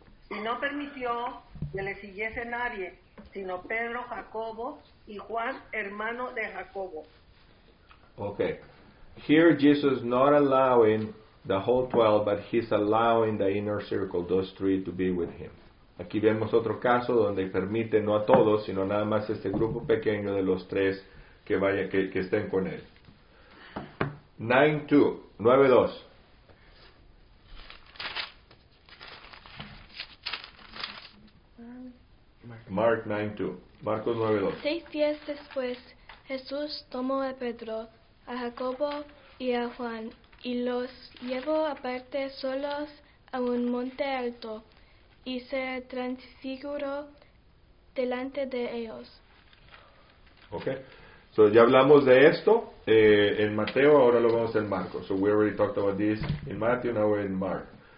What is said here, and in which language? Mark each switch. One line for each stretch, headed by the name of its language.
Spanish: Y no permitió que le siguiese nadie, sino Pedro, Jacobo, y Juan, hermano de Jacobo.
English: Okay. Here Jesus is not allowing the whole 12, but he's allowing the inner circle, those three, to be with him.
Spanish: Aquí vemos otro caso donde permite no a todos, sino nada más este grupo pequeño de los tres que estén con él. 9:2.
English: Mark 9:2. Marcos 9:2.
Spanish: 6 días después, Jesús tomó a Pedro, a Jacobo y a Juan y los llevó aparte solos a un monte alto. Y se transfiguró delante de ellos.
English: Okay.
Spanish: So ya hablamos de esto en Mateo, ahora lo vamos en Marcos.
English: So we already talked about this in Matthew, now we're in Mark.